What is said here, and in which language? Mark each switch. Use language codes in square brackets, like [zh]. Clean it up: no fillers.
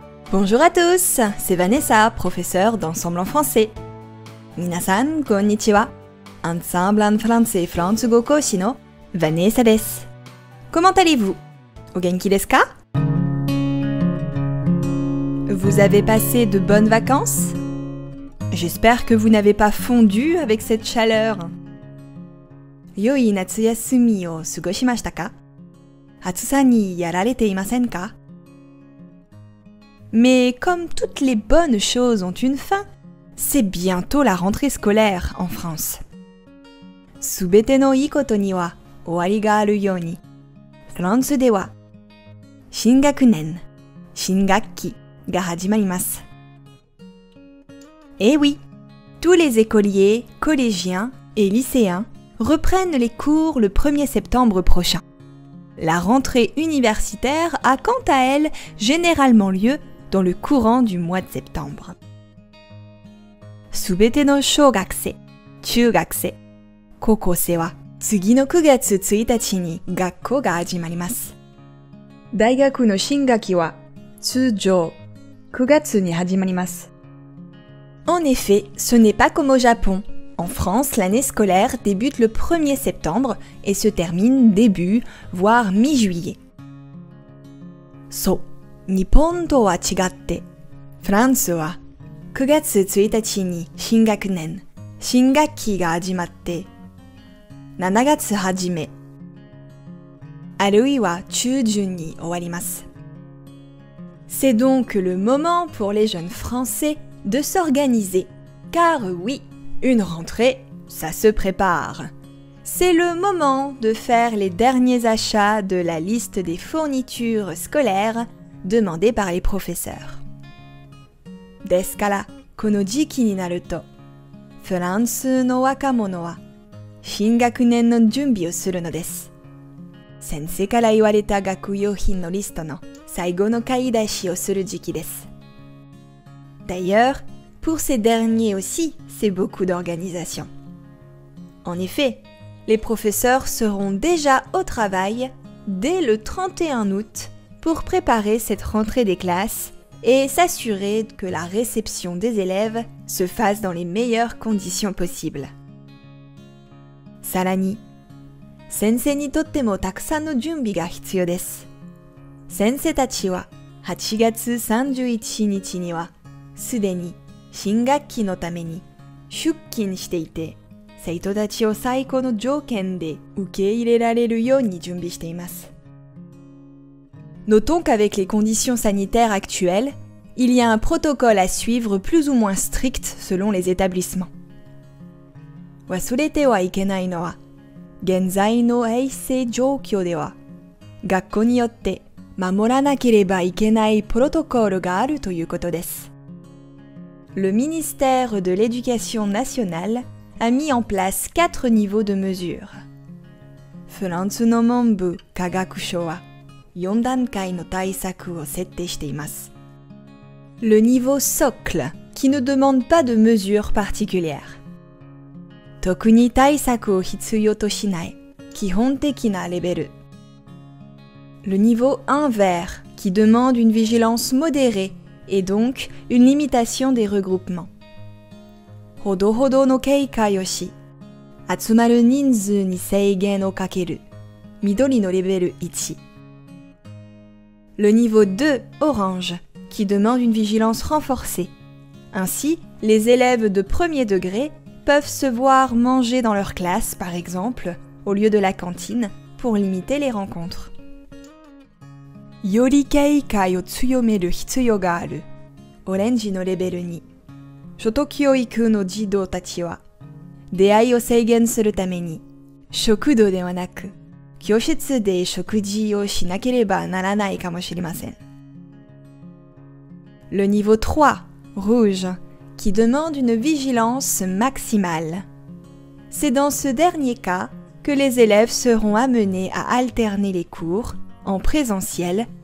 [fr] Bonjour à tous, c'est Vanessa, professeur d'ensemble en français. [ja] 皆さん、こんにちは。アンサンブルアンフランセフランス語講師の Vanessa です。 [fr] Comment allez-vous? [ja] お元気ですか？ [fr] Vous avez passé de bonnes vacances? J'espère que vous n'avez pas fondu avec cette chaleur. [ja] 良い夏休みを過ごしましたか？暑さにやられていませんか？ [fr] Mais comme toutes les bonnes choses ont une fin, c'est bientôt la rentrée scolaire en France. [ja] すべてのいいことには終わりがあるように。フランスでは新学年、新学期。が始まります。 [fr] Eh oui, tous les écoliers, collégiens et lycéens reprennent les cours le 1er septembre prochain. La rentrée universitaire a quant à elle généralement lieu dans le courant du mois de septembre. [ja] すべての小学生、中学生、高校生は次の9月1日に学校が始まります。大学の新学期は通常9月に始まります。 [fr] En effet, ce n'est pas comme au Japon. En France, l'année scolaire débute le 1er septembre et se termine début, voire mi-juillet. [ja] そう、日本とは違って、フランスは9月1日に新学年、新学期が始まって、7月初め、あるいは中旬に終わります。 [fr] C'est donc le moment pour les jeunes Français de s'organiser. Car oui, une rentrée, ça se prépare. C'est le moment de faire les derniers achats de la liste des fournitures scolaires demandées par les professeurs. [ja] ですから、この時期になると、フランスの若者は、新学年の準備をするのです。先生から言われた学用品のリストの最後の買い出しをする時期です。 [fr] D'ailleurs, pour ces derniers aussi, c'est beaucoup d'organisation. En effet, les professeurs seront déjà au travail dès le 31 août pour préparer cette rentrée des classes et s'assurer que la réception des élèves se fasse dans les meilleures conditions possibles. [ja] さらに、先生にとってもたくさんの準備が必要です。先生たちは8月31日にはすでに新学期のために出勤していて、生徒たちを最高の条件で受け入れられるように準備しています。 [fr] Notons qu'avec les conditions sanitaires actuelles, il y a un protocole à suivre plus ou moins strict selon les établissements. [ja] 忘れてはいけないのは、現在の衛生状況では、学校によって守らなければいけないプロトコルがあるということです。 [fr] Le ministère de l'éducation nationale a mis en place 4 niveaux de mesures. [ja] フランスの文部科学省は4段階の対策を設定しています。 [fr] Le niveau socle, qui ne demande pas de mesures particulières. [ja] 特に対策を必要としない基本的なレベル。 [fr] Le niveau invers, qui demande une vigilance modérée et donc une limitation des regroupements. [ja] ほどほどの警戒をし、集まる人数に制限をかける。緑のレベル1。 [fr] Le niveau 2, orange, qui demande une vigilance renforcée. Ainsi, les élèves de premier degré peuvent se voir manger dans leur classe, par exemple, au lieu de la cantine, pour limiter les rencontres. [ja] より警戒を強める必要がある。オレンジのレベル2。初等教育の児童たちは、出会いを制限するために、食堂ではなく、教室で食事をしなければならないかもしれません。 [fr] Le niveau 3, rouge, qui demande une vigilance maximale. C'est dans ce dernier cas que les élèves seront amenés à alterner les cours, en présentiel